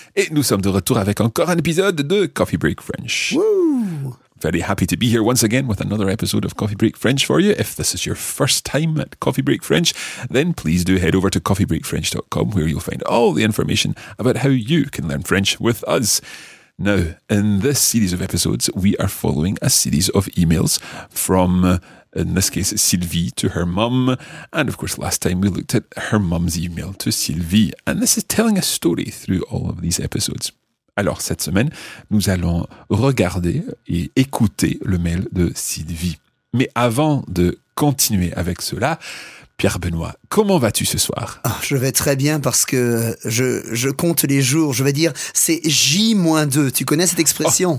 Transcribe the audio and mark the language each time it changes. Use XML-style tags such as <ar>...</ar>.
<fr>Et nous sommes de retour avec encore un épisode de Coffee Break French. Woo!</fr> <en>Very happy to be here once again with another episode of Coffee Break French for you. If this is your first time at Coffee Break French, then please do head over to coffeebreakfrench.com where you'll find all the information about how you can learn French with us. Now, in this series of episodes, we are following a series of emails from, in this case, Sylvie to her mum. And of course, last time we looked at her mum's email to Sylvie. And this is telling a story through all of these episodes.</en> <fr>Alors, cette semaine, nous allons regarder et écouter le mail de Sylvie. Mais avant de continuer avec cela, Pierre-Benoît, comment vas-tu ce soir? Oh, je vais très bien parce que je compte les jours. Je vais dire, c'est J-2. Tu connais cette expression?</fr>